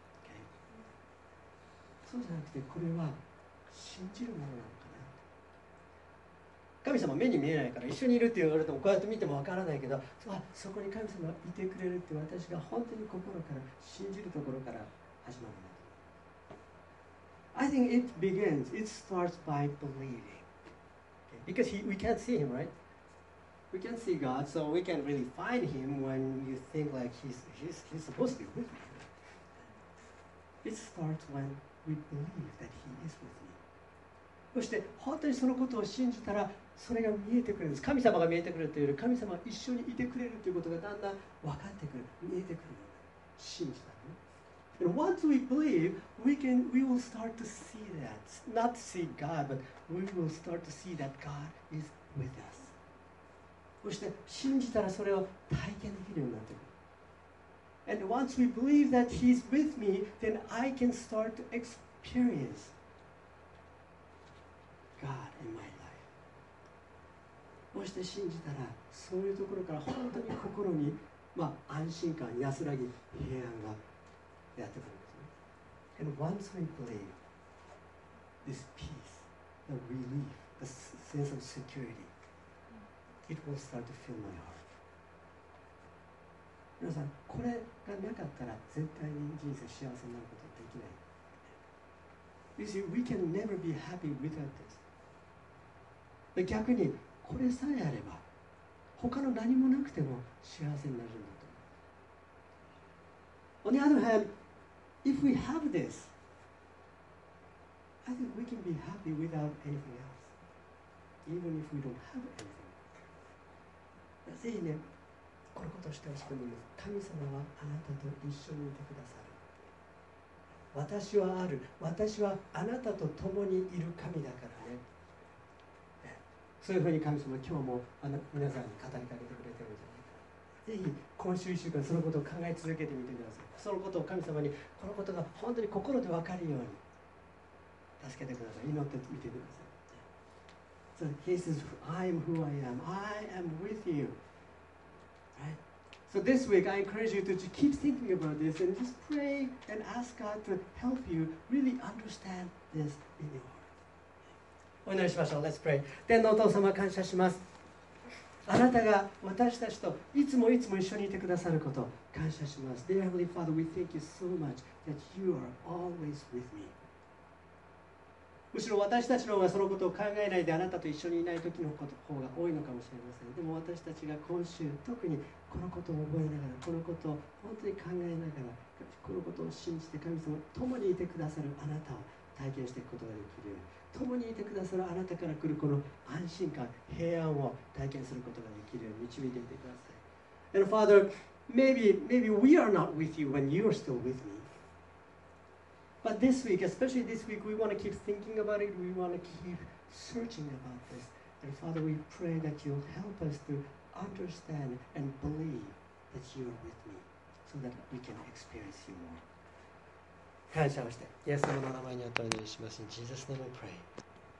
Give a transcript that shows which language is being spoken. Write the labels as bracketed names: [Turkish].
[English] Okay? [Japanese] そうじゃなくて、これは信じるものなのかな。神様目に見えないから一緒にいるって言われてもこうやって見てもわからないけど、あ、そこに神様いてくれるって、私が本当に心から信じるところから始まるんだと。 [English] I think it begins, it starts by believing. Okay, because we can't see him, right? We can't see God, so we can't really find him when you think like he's supposed to be with me. It starts when we believe that he is with me. [Japanese] そして本当にそのことを信じたら、それが見えてくるんです。神様が見えてくるというより、神様が一緒にいてくれるということがだんだん分かってくる、見えてくる。信じたね。 [English] And once we believe, we will start to see that. Not see God, but we will start to see that God is with us. [Japanese] そして信じたらそれを体験できるようになってくる。 [English] And once we believe that He's with me, then I can start to experience. God in my life. [Japanese] もして信じたら、そういうところから本当に心に、まあ、安心感、安らぎ、平安がやってくるんですね。 [English] And once we believe, this peace, the relief, the sense of security, it will start to fill my heart. [Japanese] 皆さん、これがなかったら絶対に人生幸せになることはできない。 [English] You see, we can never be happy without this. [Japanese] で、逆にこれさえあれば他の何もなくても幸せになるんだと。 [English] On the other hand, if we have this, I think we can be happy without anything else, even if we don't have anything. [Japanese] ぜひね、このことをしてほしいと思います。神様はあなたと一緒にいてくださる。私はある。私はあなたと共にいる神だからね。そういうふうに神様は今日も皆さんに語りかけてくれてるんじゃないか。ぜひ今週1週間そのことを考え続けてみてください。そのことを神様に、このことが本当に心で分かるように助けてください。祈ってみてください。 [English] So he says, I am who I am. I am with you. Right? So this week, I encourage you to keep thinking about this and just pray and ask God to help you really understand this in your heart. [Japanese] お祈りしましょう。 [English] Let's pray. [Japanese] 天のお父様、感謝します。あなたが私たちといつもいつも一緒にいてくださること、感謝します。 [English] Dear Heavenly Father, we thank you so much that you are always with me. [Japanese] むしろ私たちの方がそのことを考えないで、あなたと一緒にいない時のこと方が多いのかもしれません。でも私たちが今週、特にこのことを覚えながら、このことを本当に考えながら、このことを信じて、神様と共にいてくださるあなたを体験していくことができるように、共にいてくださるあなたから来るこの安心感、平安を体験することができるように導いていてください。 [English] And Father, maybe we are not with you when you are still with me. But this week, especially this week, we want to keep thinking about it. We want to keep searching about this. And Father, we pray that you'll help us to understand and believe that you are with me so that we can experience you more. [Japanese] 感謝をして、イエス様の名前にお祈りします。 [English] In Jesus' name we pray.